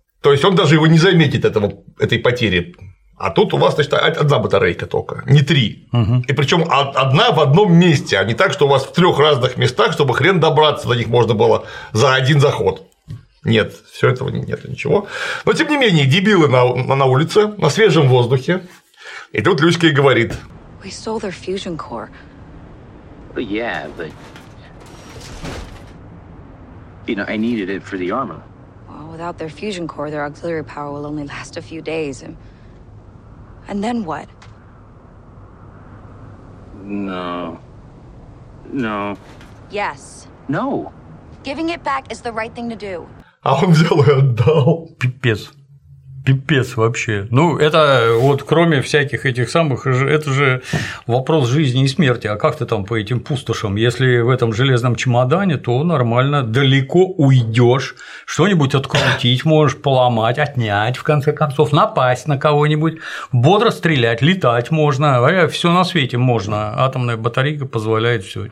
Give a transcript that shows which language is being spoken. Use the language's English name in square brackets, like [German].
[Russian] То есть он даже его не заметит, этого, этой потери. А тут у вас, значит, одна батарейка только, не 3. Угу. И причем одна в одном месте, а не так, что у вас в 3 разных местах, чтобы хрен добраться до них можно было за один заход. Нет, все этого нет, ничего. Но тем не менее, дебилы на улице, на свежем воздухе. И тут Люська и говорит. [English] We stole their fusion core. Yeah, but you know, I needed it for the armor. Well, without their fusion core, their auxiliary power will only last a few days. And then what? No. No. Yes. No. Giving it back is the right thing to do. [Russian] А он взял и отдал. Пипец. Пипец вообще. Ну, это вот кроме всяких этих самых, это же вопрос жизни и смерти. А как ты там по этим пустошам? Если в этом железном чемодане, то нормально, далеко уйдешь, что-нибудь открутить можешь, поломать, отнять, в конце концов, напасть на кого-нибудь, бодро стрелять, летать можно, все на свете можно, атомная батарейка позволяет все.